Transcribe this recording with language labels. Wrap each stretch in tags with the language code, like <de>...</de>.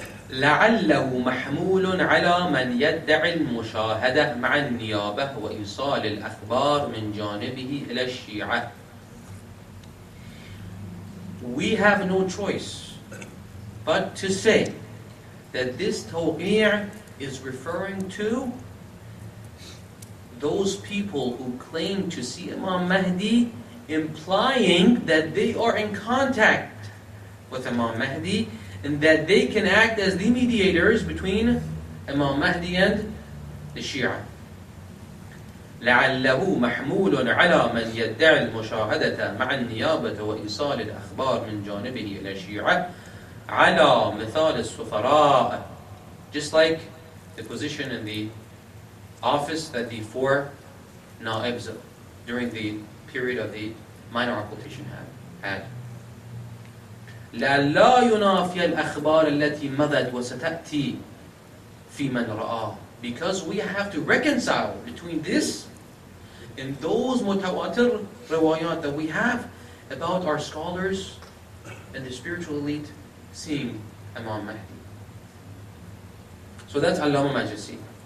<ar>لعله محمول على من يدعي المشاهدة مع النيابة وإيصال الأخبار من جانبه إلى الشيعة.</ar> <en>We have no choice but to say that this tawqi' is referring to those people who claim to see Imam Mahdi, implying that they are in contact with Imam Mahdi and that they can act as the mediators between Imam Mahdi and the Shia.</en> <ar>لعله محمول على من يدعي المشاهدة مع النيابة وإيصال الأخبار من جانبه إلى الشيعة على مثال السفراء.</ar> <en>Just like the position in the office that the four na'ibs during the period of the minor occultation had.</en> <ar>لا ينافي الأخبار التي مضت وستأتي في من رآه.</ar> <en>Because we have to reconcile between this and those mutawatir riwayat that we have about our scholars and the spiritual elite seeing Imam Mahdi. So So that's Allama Majlisi.</en>